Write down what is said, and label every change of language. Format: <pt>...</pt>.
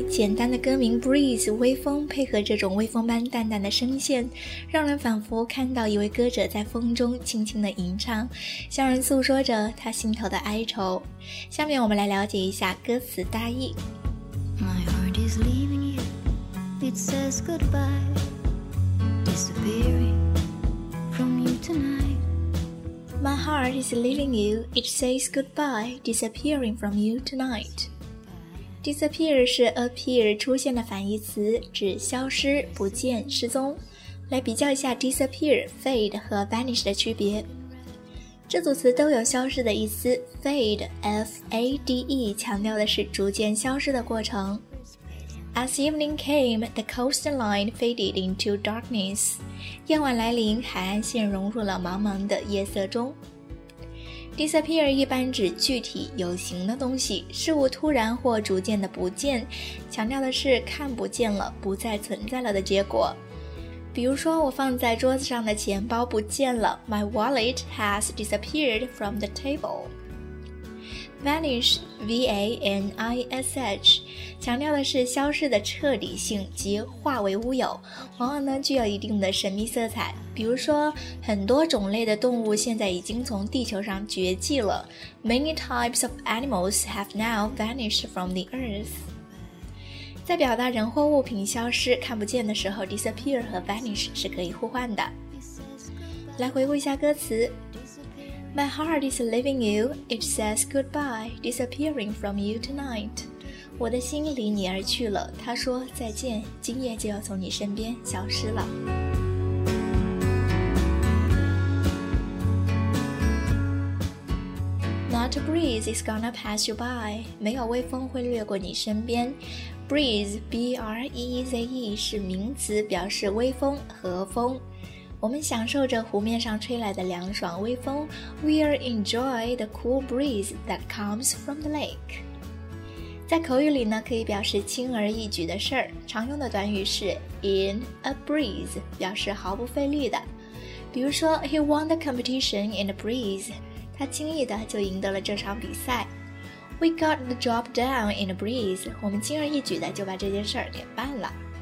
<zh>简单的歌名 Breeze 微风，配合这种微风般淡淡的声线，让人仿佛看到一位歌者在风中轻轻的吟唱，向人诉说着他心头的哀愁。下面我们来了解一下歌词大意。</zh> <en>My heart is leaving you, it says goodbye, disappearing from you tonight. My heart is leaving you, it says goodbye, disappearing from you tonightDisappear</en> <zh>是 appear 出现的反义词，指消失、不见、失踪。来比较一下 disappear、fade 和 vanish 的区别。这组词都有消失的意思， fade, F-A-D-E, 强调的是逐渐消失的过程。</zh> <en>As evening came, the coastline faded into darkness.</en> <zh>夜晚来临，海岸线融入了茫茫的夜色中。 Disappear 一般指具体有形的东西，事物突然或逐渐的不见，强调的是看不见了，不再存在了的结果。比如说，我放在桌子上的钱包不见了，</zh> <en>My wallet has disappeared from the table.</en> <zh>Vanish, V-A-N-I-S-H, 强调的是消失的彻底性及化为乌有，往往呢具有一定的神秘色彩。比如说，很多种类的动物现在已经从地球上绝迹了，</zh> <en>Many types of animals have now vanished from the earth.</en> <zh>在表达人或物品消失看不见的时候， disappear 和 vanish 是可以互换的。来回顾一下歌词，</zh> <en>My heart is leaving you, it says goodbye, disappearing from you tonight.</en> <zh>我的心离你而去了，他说再见，今夜就要从你身边消失了。</zh> <en>Not a breeze is gonna pass you by,</en> <zh>没有微风会掠过你身边。 Breeze, B-R-E-E-Z-E, 是名词，表示微风、和风。我们享受着湖面上吹来的凉爽微风。</zh> <en>We'll enjoy the cool breeze that comes from the lake.</en> <zh>在口语里呢，可以表示轻而易举的事儿。常用的短语是 in a breeze, 表示毫不费力的。比如说</zh> <en>,He won the competition in a breeze.</en> <zh>他轻易的就赢得了这场比赛。</zh> <en>We got the job done in a breeze.</en> <zh>我们轻而易举的就把这件事儿给办了。</zh>